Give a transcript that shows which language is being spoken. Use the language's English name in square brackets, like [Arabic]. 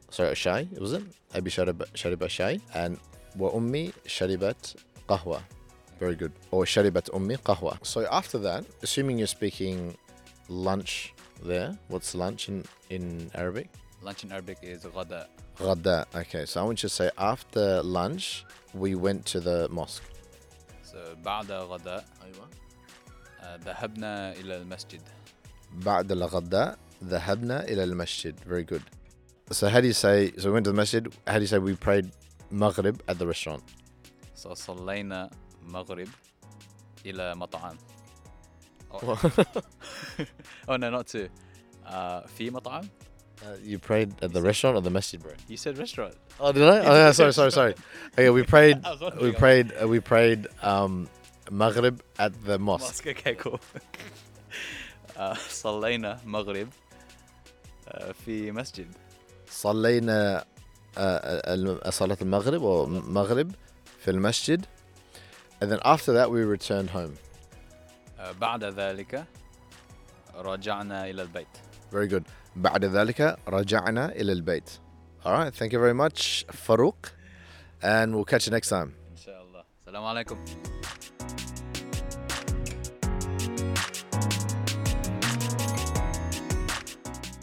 [Arabic] Shai, [English] was it? [Arabic] Abi Shariba Shai. And Wa Ummi Sharibat Qahwa. [English] Very good. [Arabic] Or Sharibat Ummi Qahwa. [English] So after that, assuming you're speaking lunch there, what's lunch in Arabic? Lunch in Arabic is Ghada. Ghada. Okay. So I want you to say, after lunch, we went to the mosque. [Arabic] So, بعد غداء ذهبنا إلى المسجد. بعد الغداء ذهبنا إلى المسجد. [English] Very good. So how do you say, so we went to the masjid, how do you say we prayed Maghrib at the restaurant? [Arabic] So صلينا مغرب إلى مطعم. [English] Oh no, not to. [Arabic] في مطعم? [English] You prayed at the restaurant or the masjid, bro? You said restaurant. Oh, did I? Oh, yeah, sorry. Okay, we prayed Maghrib at the mosque. Okay, cool. [Arabic] صلينا مغرب في مسجد. صلينا صلاة المغرب or مغرب في المسجد. [English] And then after that, we returned home. [Arabic] بعد ذلك رجعنا إلى البيت. [English] Very good. [Arabic] بعد ذلك رجعنا إلى البيت. [English] All right. Thank you very much, Farooq. And we'll catch you next time. Inshallah. Assalamu alaikum.